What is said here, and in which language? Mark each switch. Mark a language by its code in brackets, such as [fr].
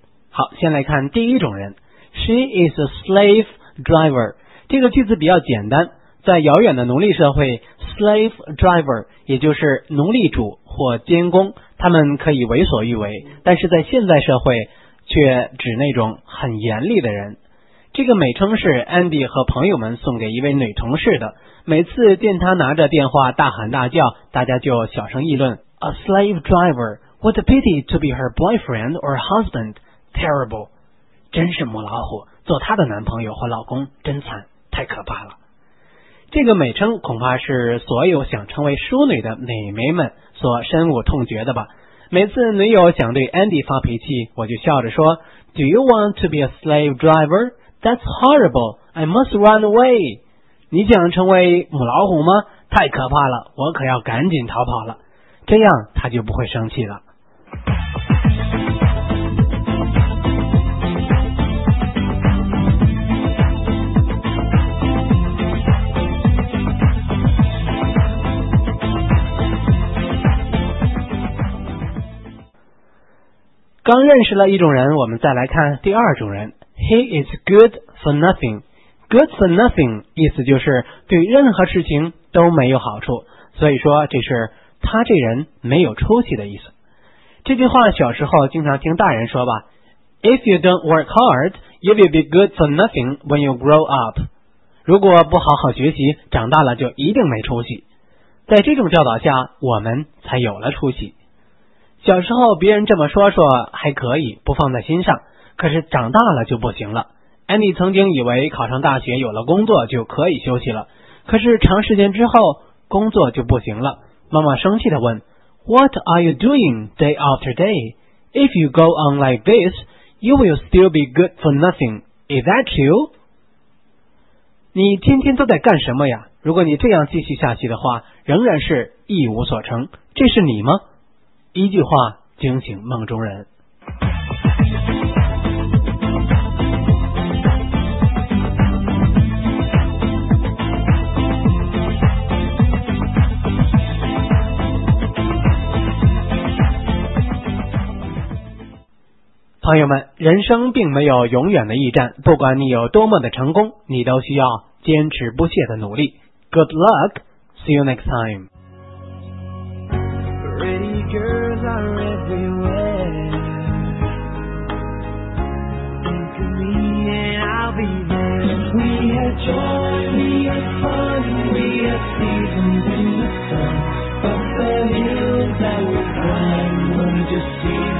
[zh] 好，先来看第一种人， [en] She is a slave driver。 [zh] 这个句子比较简单，在遥远的奴隶社会， slave driver 也就是奴隶主或监工，他们可以为所欲为，但是在现在社会却指那种很严厉的人。这个美称是 Andy 和朋友们送给一位女同事的，每次见她拿着电话大喊大叫，大家就小声议论 [en] A slave driver, what a pity to be her boyfriend or husbandTerrible, [zh] 真是母老虎，做她的男朋友或老公真惨，太可怕了。这个美称恐怕是所有想成为淑女的美眉们所深恶痛绝的吧。每次女友想对 Andy 发脾气，我就笑着说 [en] Do you want to be a slave driver? That's horrible, I must run away. [zh] 你想成为母老虎吗？太可怕了，我可要赶紧逃跑了。这样她就不会生气了。刚认识了一种人，我们再来看第二种人。 [en] He is good for nothing. [zh] Good for nothing 意思就是对任何事情都没有好处，所以说这是他这人没有出息的意思。这句话小时候经常听大人说吧， [en] If you don't work hard, you will be good for nothing when you grow up. [zh] 如果不好好学习，长大了就一定没出息。在这种教导下，我们才有了出息。小时候别人这么说说还可以，不放在心上，可是长大了就不行了。 Andy 曾经以为考上大学有了工作就可以休息了，可是长时间之后工作就不行了。妈妈生气地问 [en] What are you doing day after day? If you go on like this, you will still be good for nothing. Is that true? [zh] 你天天都在干什么呀？如果你这样继续下去的话，仍然是一无所成，这是你吗？一句话惊醒梦中人。朋友们，人生并没有永远的驿站，不管你有多么的成功，你都需要坚持不懈的努力。 [en] Good luck, see you next time. Ready? Girls are everywhere. Think of me and I'll be there. We had joy, we had fun, we had seasons in the sun. Up the hills that we climb, we just see.